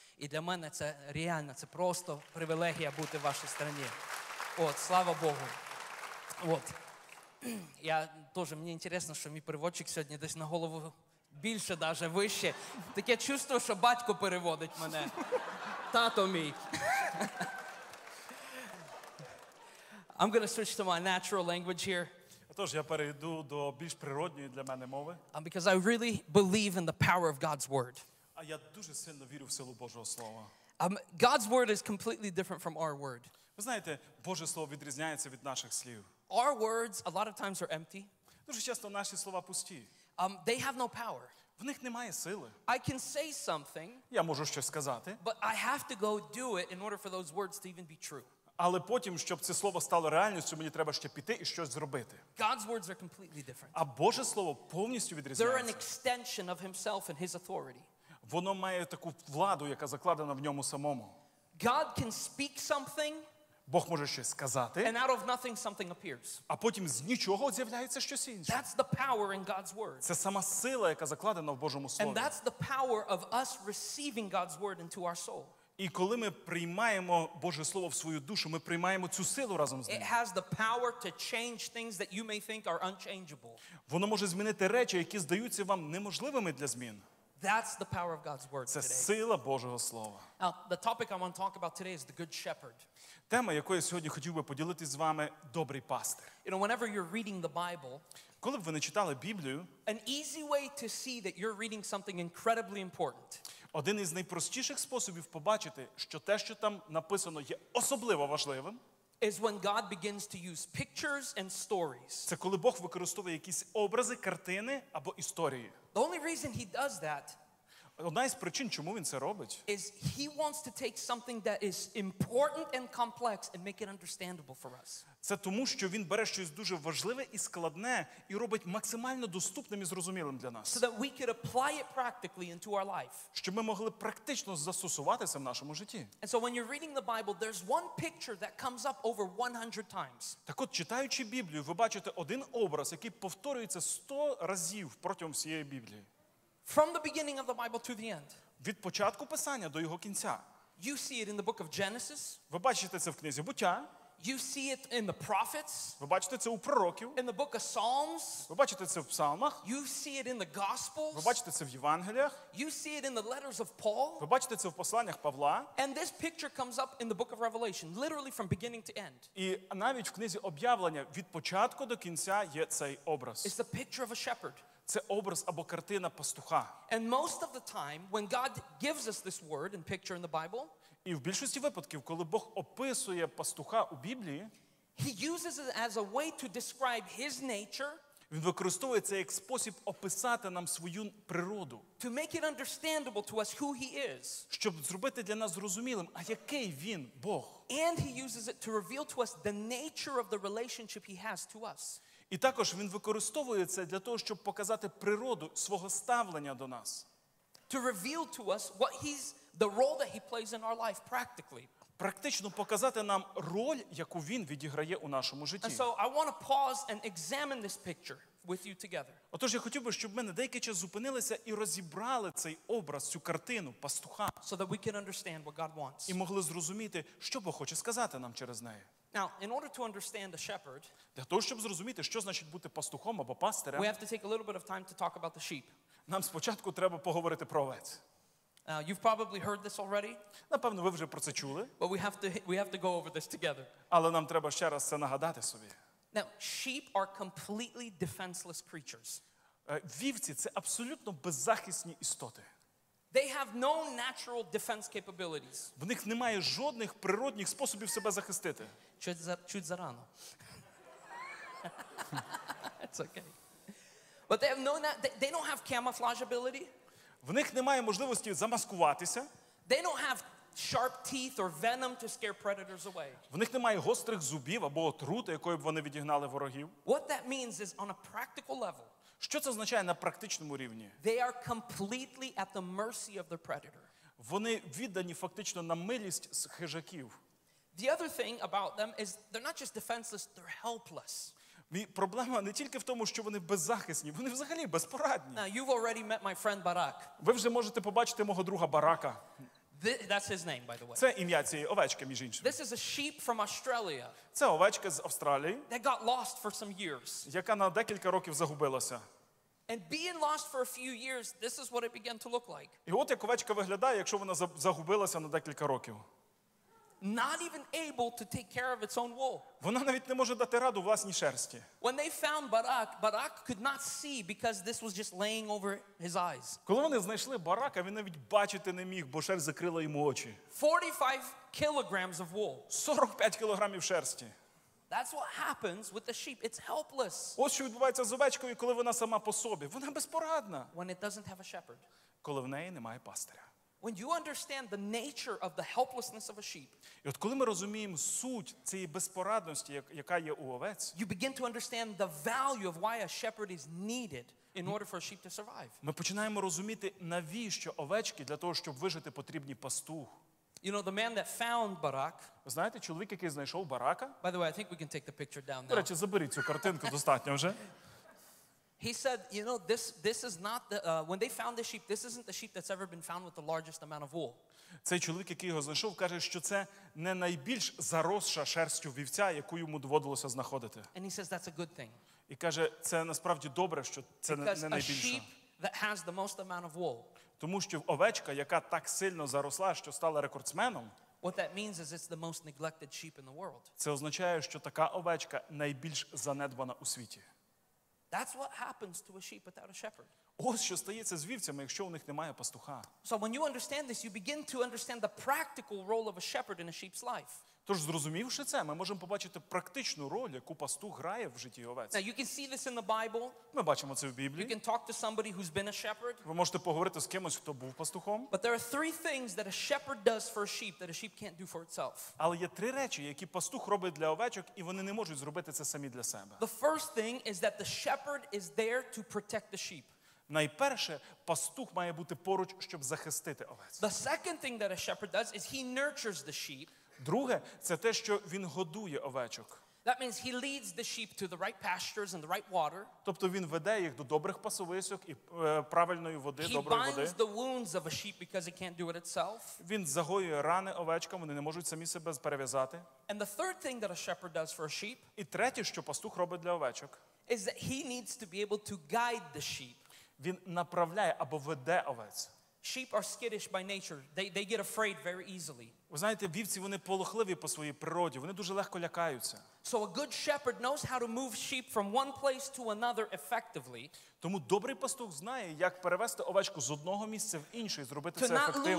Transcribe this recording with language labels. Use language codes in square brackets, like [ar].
[uk] І для мене це реально, це просто привілегія бути в вашій країні. От, слава Богу. От. Я теж, мені інтересно, що мій переводчик сьогодні десь на голову більше, навіть вище. Таке чувство, що батько переводить мене. Тато мій. [en] I'm going to switch to my natural language here. [uk] Тож я перейду до більш природньої для мене мови. [en] Because I really believe in the power of God's word. [uk] А я дуже сильно вірю в силу Божого слова. [en] God's word is completely different from our word. [uk] Ви знаєте, Боже слово відрізняється від наших слів. [en] Our words a lot of times are empty. [uk] Дуже часто наші слова пусті. [en] They have no power. [uk] В них немає сили. [en] I can say something. [uk] Я можу щось сказати. [en] But I have to go do it in order for those words to even be true. [uk] Але потім, щоб це слово стало реальністю, мені треба ще піти і щось зробити. [en] God's words are completely different. [uk] А Боже слово повністю відрізняється. [en] They're an extension of himself and his authority. [uk] Воно має таку владу, яка закладена в ньому самому. [en] God can speak something. [uk] Бог може щось сказати. [en] And out of nothing something appears. [uk] А потім з нічого з'являється щось інше. [en] That's the power in God's word. [uk] Це сама сила, яка закладена в Божому слові. [en] And that's the power of us receiving God's word into our soul. [uk] І коли ми приймаємо Боже слово в свою душу, ми приймаємо цю силу разом з ним. [en] It has the power to change things that you may think are unchangeable. [uk] Воно може змінити речі, які здаються вам неможливими для змін. [en] That's the power of God's word today. [uk] Це сила Божого слова. [en] Now, the topic I want to talk about today is the good shepherd. [uk] Тема, якою я сьогодні хотів би поділитись з вами, добрий пастир. [en] You know, whenever you're reading the Bible, [uk] коли б ви не читали Біблію, [en] an easy way to see that you're reading something incredibly important. [uk] Один із найпростіших способів побачити, що те, що там написано, є особливо важливим, [en] is when God begins to use pictures and stories. [uk] Це коли Бог використовує якісь образи, картини або історії. [en] The only reason he does that, [uk] одна із причин, чому він це робить, [en] is he wants to take something that is important and complex and make it understandable for us. [uk] Це тому, що він бере щось дуже важливе і складне і робить максимально доступним і зрозумілим для нас. [en] So that we could apply it practically into our life. [uk] Щоб ми могли практично застосувати це в нашому житті. [en] And so when you're reading the Bible, there's one picture that comes up over 100 times. [uk] Так от, читаючи Біблію, ви бачите один образ, який повторюється 100 разів протягом всієї Біблії. [en] From the beginning of the Bible to the end. [uk] Від початку писання до його кінця. [en] You see it in the book of Genesis. [uk] Ви бачите це в книзі Буття. [en] You see it in the prophets. [uk] Ви бачите це у пророків. [en] In the book of Psalms. [uk] Ви бачите це в Псалмах. [en] You see it in the Gospels. [uk] Ви бачите це в Євангеліях. [en] You see it in the letters of Paul. [uk] Ви бачите це в посланнях Павла. [en] And this picture comes up in the book of Revelation, literally from beginning to end. [uk] І навіть в книзі Об'явлення від початку до кінця є цей образ. [en] It's the picture of a shepherd. [uk] Це образ або картина пастуха. [en] And most of the time when God gives us this word and picture in the Bible, [uk] і в більшості випадків, коли Бог описує пастуха у Біблії, [en] he uses it as a way to describe his nature, [uk] він використовує це як спосіб описати нам свою природу, [en] to make it understandable to us who he is, [uk] щоб зробити для нас зрозумілим, а який він Бог. [en] And he uses it to reveal to us the nature of the relationship he has to us. [uk] І також він використовує це для того, щоб показати природу свого ставлення до нас. [en] To reveal to us what he's, the role that he plays in our life practically. [uk] практично показати нам роль, яку він відіграє у нашому житті. [en] And so I want to pause and examine this picture with you together. [uk] Отож, я хотів би, щоб ми на деякий час зупинилися і розібрали цей образ, цю картину пастуха. [en] So that we can understand what God wants. [uk] І могли зрозуміти, що Бог хоче сказати нам через неї. [en] Now, in order to understand a shepherd, [uk] для того, щоб зрозуміти, що значить бути пастухом або пастирем, [en] we have to take a little bit of time to talk about the sheep. [uk] Нам спочатку треба поговорити про овець. [en] Now, you've probably heard this already. [uk] Напевно, ви вже про це чули. [en] But we have to go over this together. [uk] Але нам треба ще раз це нагадати собі. [en] Now, sheep are completely defenseless creatures. [uk] Вівці – це абсолютно беззахисні істоти. [en] They have no natural defense capabilities. [uk] В них немає жодних природних способів себе захистити. Чуть зарано. [en] It's okay. But they have no they don't have camouflage ability. [uk] В них немає можливості замаскуватися. [en] They don't have sharp teeth or venom to scare predators away. [uk] В них немає гострих зубів або отрути, якою б вони відігнали ворогів. [en] What that means is on a practical level. [uk] Що це означає на практичному рівні? [en] They are completely at the mercy of the predator. [uk] Вони віддані фактично на милість хижаків. [en] The other thing about them is they're not just defenseless, they're helpless. [uk] Проблема не тільки в тому, що вони беззахисні, вони взагалі безпорадні. [en] Now, you've already met my friend Barak. [uk] Ви вже можете побачити мого друга Барака. [en] That's his name, by the way. [uk] Це ім'я цієї овечки, між іншим. [en] This is a sheep from Australia. [uk] Це овечка з Австралії. [en] That got lost for some years. [uk] Яка на декілька років загубилася. [en] And being lost for a few years, this is what it began to look like. [uk] І от як овечка виглядає, якщо вона загубилася на декілька років. [en] Not even able to take care of its own wool. [uk] Вона навіть не може дати раду власній шерсті. [en] When they found Barak, Barak could not see because this was just laying over his eyes. [uk] Коли вони знайшли Барака, він навіть бачити не міг, бо шерсть закрила йому очі. [en] 45 kilograms of wool. [uk] 45 кілограмів шерсті. [en] That's what happens with the sheep. It's helpless. [uk] Ось що відбувається з овечкою, коли вона сама по собі. Вона безпорадна. [en] When it doesn't have a shepherd. [uk] Коли в неї немає пастиря. [en] When you understand the nature of the helplessness of a sheep. [uk] І от коли ми розуміємо суть цієї безпорадності, яка є у овець. [en] You begin to understand the value of why a shepherd is needed in order for a sheep to survive. [uk] Ми починаємо розуміти, навіщо овечки для того, щоб вижити, потрібні пастух. [en] You know, the man that found Barak. [uk] Знаєте, чоловік, який знайшов Барака? [en] By the way, I think we can take the picture down now. [uk] До речі, заберіть цю картинку, достатньо вже. [en] He said, you know, this is not the when they found the sheep, this isn't the sheep that's ever been found with the largest amount of wool. [uk] Цей чоловік, який його знайшов, каже, що це не найбільш заросша шерстю вівця, яку йому доводилося знаходити. [en] And he says that's a good thing. [uk] І каже, це насправді добре, що це не найбільша. [en] Because a sheep that has the most amount of wool. [uk] Тому що овечка, яка так сильно заросла, що стала рекордсменом. [en] What that means is it's the most neglected sheep in the world. [uk] Це означає, що така овечка найбільш занедбана у світі. [en] That's what happens to a sheep without a shepherd. [uk] Ось що стається з вівцями, якщо у них немає пастуха. [en] So when you understand this, you begin to understand the practical role of a shepherd in a sheep's life. [uk] Тож, зрозумівши це, ми можемо побачити практичну роль, яку пастух грає в житті овець. [en] Now you can see this in the Bible. [uk] Ми бачимо це в Біблії. [en] You can talk to somebody who's been a shepherd. [uk] Ви можете поговорити з кимось, хто був пастухом. [en] But there are three things that a shepherd does for a sheep that a sheep can't do for itself. [uk] Але є три речі, які пастух робить для овечок, і вони не можуть зробити це самі для себе. [en] The first thing is that the shepherd is there to protect the sheep. [uk] Найперше, пастух має бути поруч, щоб захистити овець. [en] The second thing that a shepherd does is he nurtures the sheep. [uk] Друге, це те, що він годує овечок. [en] That means he leads the sheep to the right pastures and the right water. [uk] Тобто він веде їх до добрих пасовисок і правильної води, доброї води. [en] He binds the wounds of a sheep because it can't do it itself. [uk] Він загоює рани овечкам, вони не можуть самі себе перев'язати. [en] And the third thing that a shepherd does for a sheep. [uk] І третє, що пастух робить для овечок. [en] Is that he needs to be able to guide the sheep. [uk] Він направляє або веде овець. [en] Sheep are skittish by nature. They get afraid very easily. [uk] Ви знаєте, вівці, вони полохливі по своїй природі, вони дуже легко лякаються. [en] So a good shepherd knows how to move sheep from one place to another effectively. [uk] Тому добрий пастух знає, як перевести овечку з одного місця в інше і зробити це ефективно.